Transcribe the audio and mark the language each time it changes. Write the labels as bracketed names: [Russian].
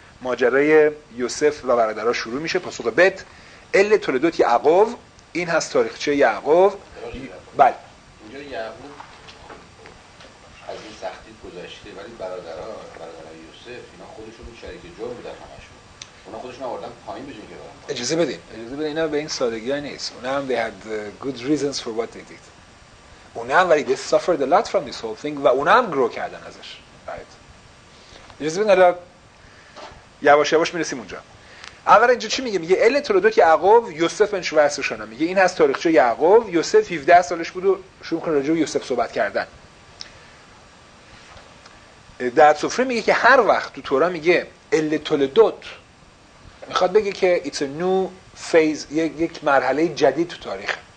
[Persian] ماجرای یوسف و برادرها شروع میشه. پاسخ بت ال تولدوت یعقوب، این هست تاریخچه یعقوب. بله اینجا یعقوب از این سختی گذشته، ولی برادرها یوسف اینا خودشون شریک جرم بودن همشون. اونا خودشون آوردن پایین بجن که اجازه بدین اینا به این سادگی ها نیست. اونا هم [English] they had good reasons for what they did. [Persian] اونا هم ولی [English] they suffered a lot from this whole thing [Persian] و اونا هم grow کردن ازش. right. اجازه بدین الان یواش یواش میرسیم اونجا. اول اینجا چی میگه؟ میگه ال تولدوت یعقوب یوسف بن شوهرشانه. میگه این هست تاریخچه یعقوب. یوسف 17 سالش بود و شروع کنه راجع به یوسف صحبت کردن. در سفره میگه که هر وقت تو تورا میگه ال تولدوت، میخواد بگه که [English] it's a new phase، [Persian] یک مرحله جدید تو تاریخ.